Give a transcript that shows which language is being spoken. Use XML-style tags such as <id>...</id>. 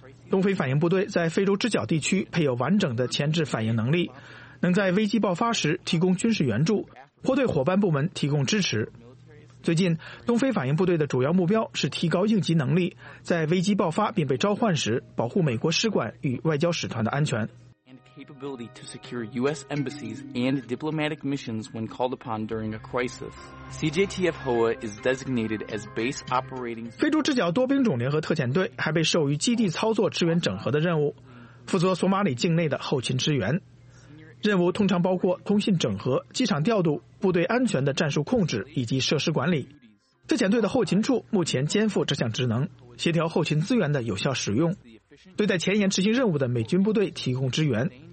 <zh>东非反应部队在非洲之角地区配有完整的前置反应能力，能在危机爆发时提供军事援助或对伙伴部门提供支持。最近东非反应部队的主要目标是提高应急能力，在危机爆发并被召唤时保护美国使馆与外交使团的安全。</zh> <en>Capability to secure U.S. embassies and diplomatic missions when called upon during a crisis. CJTF HOA is designated as base operating.</en> <zh>非洲之角多兵种联合特遣队还被授予基地操作支援整合的任务，负责索马里境内的后勤支援。任务通常包括通信整合、机场调度、部队安全的战术控制以及设施管理。特遣队的后勤处目前肩负这项职能，协调后勤资源的有效使用，对在前沿执行任务的美军部队提供支援。</zh>